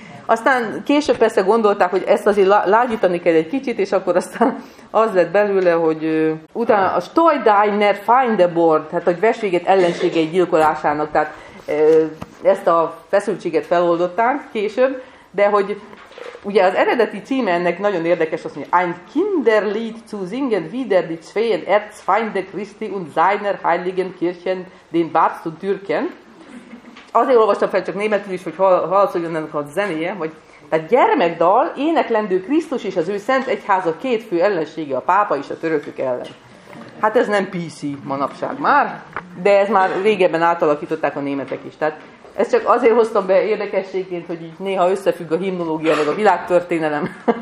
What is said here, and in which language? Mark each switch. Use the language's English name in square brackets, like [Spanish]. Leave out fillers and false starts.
[Hungarian] Aztán később persze gondolták, hogy ezt azért lágyítani kell egy kicsit, és akkor aztán az lett belőle, hogy utána a [German] Stolz deiner Feinde Mord, [Hungarian] tehát hogy veséget ellenségei gyilkolásának, tehát ezt a feszültséget feloldották később, de hogy... Ugye az eredeti címe ennek nagyon érdekes, azt mondja, [German] ein Kinderlied zu singen wider die zweien Erzfeinde Christi und seiner heiligen Kirchen, den Papst und Türken. [Hungarian] Azért olvastam fel csak németül is, hogy hallatszoljon ennek a zenéje, hogy tehát gyermekdal, éneklendő Krisztus és az ő szent egyháza két fő ellensége, a pápa és a törökök ellen. Hát ez nem PC manapság már, de ez már régebben átalakították a németek is, tehát ezt csak azért hoztam be érdekességként, hogy így néha összefügg a himnológia meg a világtörténelem.